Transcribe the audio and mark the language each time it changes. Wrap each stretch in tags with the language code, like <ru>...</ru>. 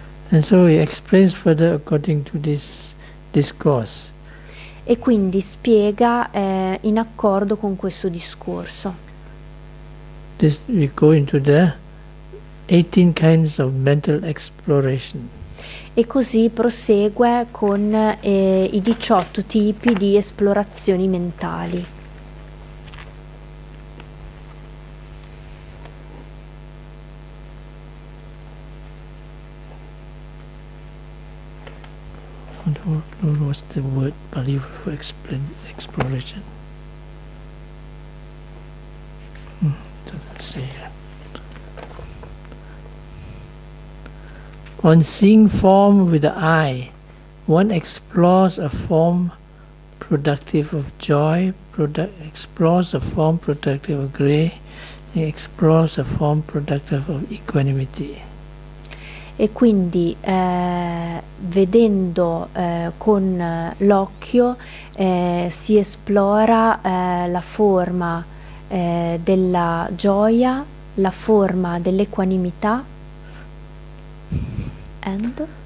<en>And so he explains further according to this discourse.</en> <it>E quindi spiega in accordo con questo discorso.</it> <en>This, we go into the 18 kinds of mental exploration.</en> <it>E così prosegue con i 18 tipi di esplorazioni mentali.</it> <en>What's the word Pali for exploration? Doesn't say here. On seeing form with the eye, one explores a form productive of joy, explores a form productive of grace, and explores a form productive of equanimity.</en> <it>E quindi vedendo con l'occhio si esplora la forma della gioia, la forma dell'equanimità and</it>